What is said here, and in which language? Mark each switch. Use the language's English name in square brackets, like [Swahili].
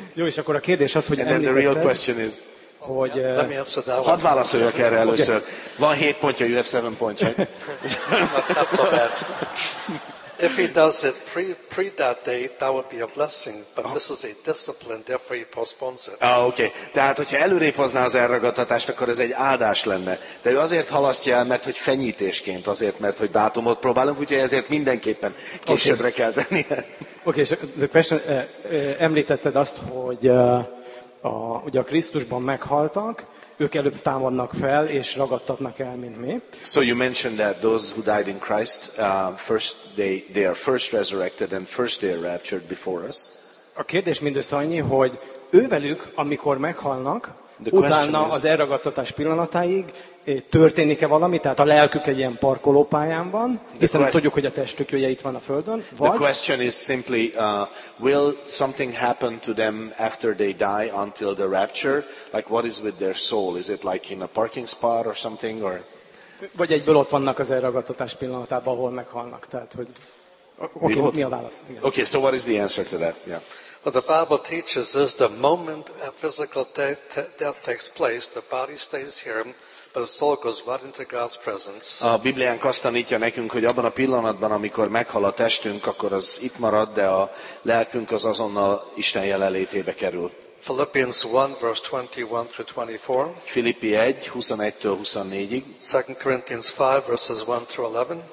[Hungarian] Jó, és akkor a kérdés az, hogy [English] and then the real question is, [Hungarian] hogy hadd válaszoljak erre először. [English] Okay. [Hungarian] Van 7 pontja, [English] you have 7 points, right? That's so bad. If he does it pre that date, that would be a blessing, but this is a discipline, therefore he postpones it. Ah, okay. [Hungarian] Tehát, hogyha előrébb hozná az elragadtatást, akkor ez egy áldás lenne. De ő azért halasztja el, mert hogy fenyítésként, azért, mert hogy dátumot próbálunk, úgyhogy ezért mindenképpen későbbre kell tennie. [English] Okay, so the question, [Hungarian] említetted azt, hogy ugye a Krisztusban meghaltak, ők előbb támadnak fel és ragadtatnak el, mint mi. [English] So you mentioned that those who died in Christ, first they are first resurrected and first they are raptured before us. [Hungarian] A kérdés mindössze annyi, hogy ővelük, amikor meghalnak, utána az elragadtatás pillanatáig történik-e valami, tehát a lelkük egy ilyen parkolópályán van, hiszen tudjuk, hogy a testük ugye itt van a földön. [English] The question is simply, will something happen to them after they die until the rapture? Like what is with their soul? Is it like in a parking spot or something? Or? [Hungarian] Vagy egyből ott vannak az elragadtatás pillanatában, ahol meghalnak. Tehát, hogy okay, mi a válasz? Igen. [English] Okay, so what is the answer to that? Yeah. What the Bible teaches is the moment a physical death takes place, the body stays here, but the soul goes right into God's presence. [Hungarian] A Bibliánk azt tanítja nekünk, hogy abban a pillanatban, amikor meghal a testünk, akkor az itt marad, de a lelkünk az azonnal Isten jelenlétébe kerül. [English] Philippians 1, verse 21 through 24. [Hungarian] Filippi 1, 21-től 24-ig. [English] 2 Corinthians 5, verses 1 through 11.